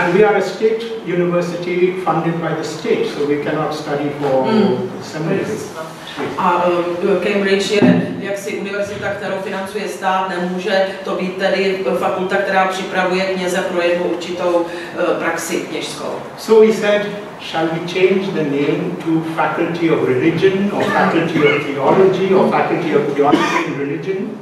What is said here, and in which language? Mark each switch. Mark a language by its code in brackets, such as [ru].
[en] And we are a state university funded by the state, so we cannot study for seminaries. [cs] A Cambridge je jaksi univerzita, kterou financuje stát, nemůže to být tedy fakulta, která připravuje kněze pro jednu určitou praxi kněžskou. [en] So we said, shall we change the name to Faculty of Religion, or Faculty of Theology, or Faculty of Theology and Religion?